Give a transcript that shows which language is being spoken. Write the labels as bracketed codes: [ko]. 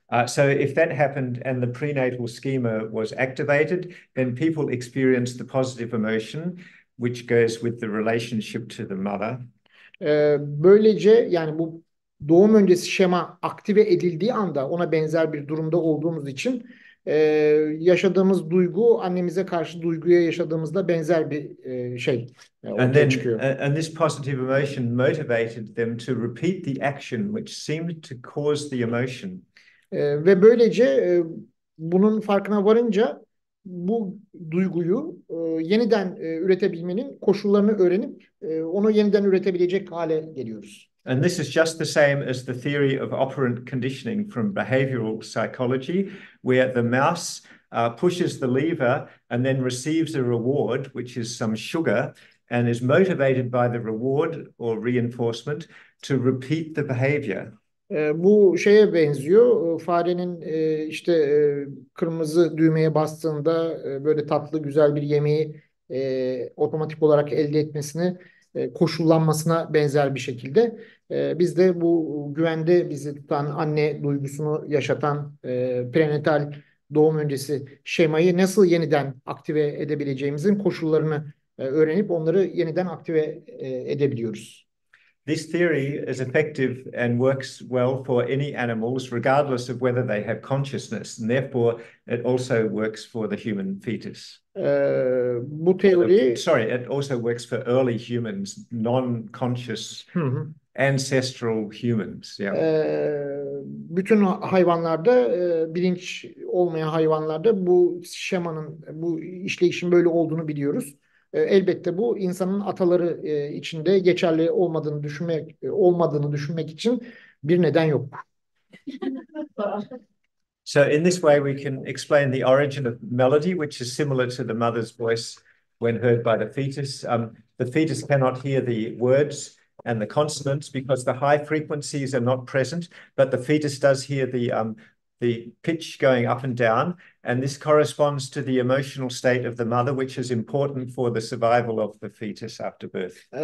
[en] So if that happened and the prenatal schema was activated, then people experienced the positive emotion, which goes with the relationship to the mother. [tr] Böylece yani bu doğum öncesi şema aktive edildiği anda ona benzer bir durumda olduğumuz için yaşadığımız duygu annemize karşı duyguya yaşadığımızda benzer bir şey [en] And [tr] ortaya [en] then, [tr] çıkıyor. [en] and this positive emotion motivated them to repeat the action, which seemed to cause the emotion. [tr] Ve böylece bunun farkına varınca bu duyguyu yeniden üretebilmenin koşullarını öğrenip onu yeniden üretebilecek hale geliyoruz. [en] And this is just the same as the theory of operant conditioning from behavioral psychology, where the mouse pushes the lever and then receives a reward, which is some sugar, and is motivated by the reward or reinforcement to repeat the behavior. [tr] Bu şeye benziyor. Farenin işte kırmızı düğmeye bastığında böyle tatlı güzel bir yemeği otomatik olarak elde etmesini koşullanmasına benzer bir şekilde. Biz de bu güvende bizi tutan anne duygusunu yaşatan prenatal doğum öncesi şemayı nasıl yeniden aktive edebileceğimizin koşullarını öğrenip onları yeniden aktive edebiliyoruz. [en] This theory is effective and works well for any animals, regardless of whether they have consciousness. And therefore, it also works for the human fetus. [tr] Bu teori... [en] Sorry, it also works for early humans, non-conscious ancestral humans. Yeah. [tr] Bütün hayvanlarda, bilinç olmayan hayvanlarda bu şemanın, bu işleyişin böyle olduğunu biliyoruz. Elbette bu insanın ataları içinde geçerli olmadığını düşünmek için bir neden yok. [en] So in this way we can explain the origin of melody, which is similar to the mother's voice when heard by the fetus. The fetus cannot hear the words and the consonants because the high frequencies are not present, but the fetus does hear the pitch going up and down, and this corresponds to the emotional state of the mother, which is important for the survival of the fetus after birth.